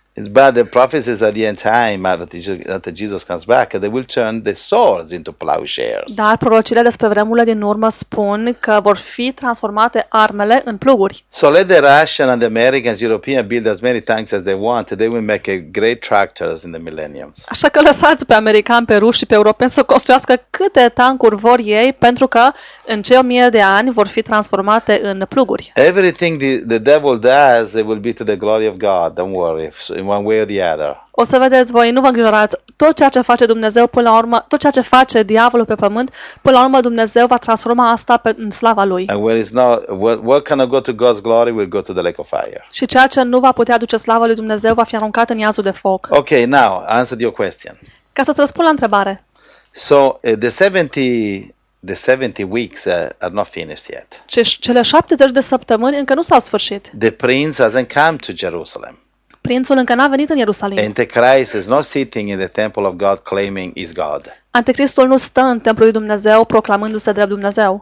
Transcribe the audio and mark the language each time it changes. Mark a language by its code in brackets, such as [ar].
[en] It's bad. The prophecy is at the end time after Jesus comes back, they will turn the swords into plowshares. [ro] Dar prorocile despre vremurile din urmă spun că vor fi transformate armele în pluguri. [en] So let the Russian and the Americans, European build as many tanks as they want, they will make a great tractors in the millennium. [ro] Așa că lăsați pe americani, pe ruși și pe europeni să construiască câte tancuri vor ei, pentru că în cei 1000 de ani vor fi transformate în pluguri. [en] Everything the devil does, it will be to the glory of God. Don't worry. In one way or the other. [ro] O să vedeți voi, nu vă îngrijorați, tot ceea ce face Dumnezeu până la urmă, tot ceea ce face diavolul pe pământ, până la urmă Dumnezeu va transforma asta în slava lui. [en] And where is not, what cannot go to God's glory will go to the lake of fire. [ro] Și ceea ce nu va putea aduce slava lui Dumnezeu va fi aruncat în iazul de foc. [en] Okay, now answer your question. [ro] Ca să-ți răspund la întrebare. [en] So the 70 weeks are not finished yet. [ro] Cele 70 de săptămâni încă nu s-au sfârșit. [en] The prince hasn't come to Jerusalem. [ro] Prințul încă n-a venit în Ierusalim. [en] Antichrist is not sitting in the temple of God claiming he's God. [ro] Anticristul nu stă în templul lui Dumnezeu proclamându-se drept Dumnezeu.